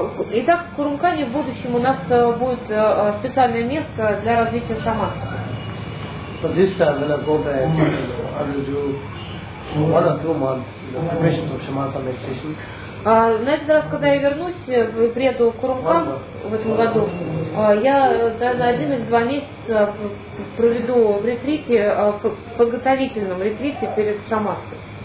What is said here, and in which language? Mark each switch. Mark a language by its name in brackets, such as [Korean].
[Russian] Итак, в Курумкане в будущем у нас будет специальное место для развития шаматки. [English] But this time, when I go back, I will do 1 or 2 months the permission of shamatha meditation. [Russian] На этот раз, когда я вернусь, приеду в Курумкан в этом году, я даже на 1 или 2 месяца проведу в ретрите, подготовительном ретрите перед шаматхой.